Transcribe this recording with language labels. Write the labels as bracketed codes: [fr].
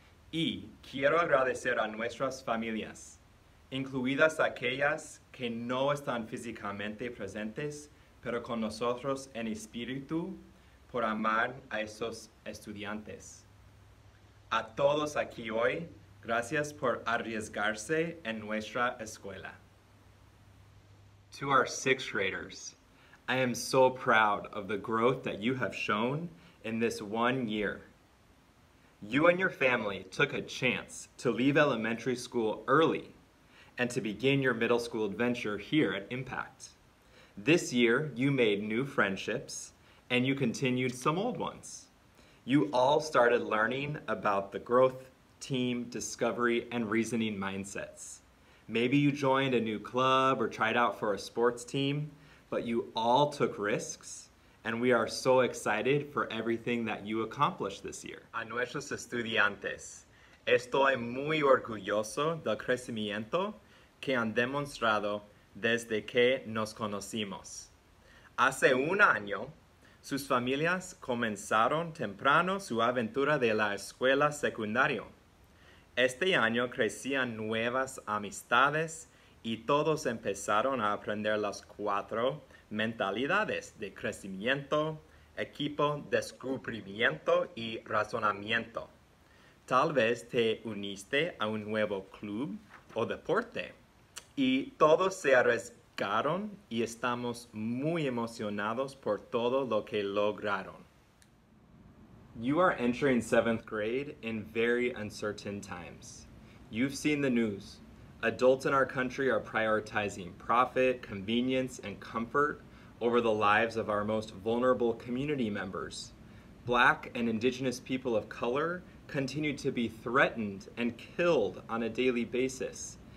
[es] Y quiero agradecer a nuestras familias, incluidas aquellas que no están físicamente presentes, pero con nosotros en espíritu, por amar a esos estudiantes. A todos aquí hoy, gracias por arriesgarse en nuestra escuela. [en] To our sixth graders, I am so proud of the growth that you have shown in this 1 year. You and your family took a chance to leave elementary school early and to begin your middle school adventure here at Impact. This year, you made new friendships and you continued some old ones. You all started learning about the growth, team, discovery, and reasoning mindsets. Maybe you joined a new club or tried out for a sports team, but you all took risks, and we are so excited for everything that you accomplished this year. [es] A nuestros estudiantes, estoy muy orgulloso del crecimiento que han demostrado desde que nos conocimos. Hace un año, sus familias comenzaron temprano su aventura de la escuela secundaria. Este año crecían nuevas amistades y todos empezaron a aprender las 4 mentalidades de crecimiento, equipo, descubrimiento y razonamiento. Tal vez te uniste a un nuevo club o deporte. Y todos se arriesgaron y estamos muy emocionados por todo lo que lograron. [en] You are entering 7th grade in very uncertain times. You've seen the news. Adults in our country are prioritizing profit, convenience, and comfort over the lives of our most vulnerable community members. Black and Indigenous people of color continue to be threatened and killed on a daily basis.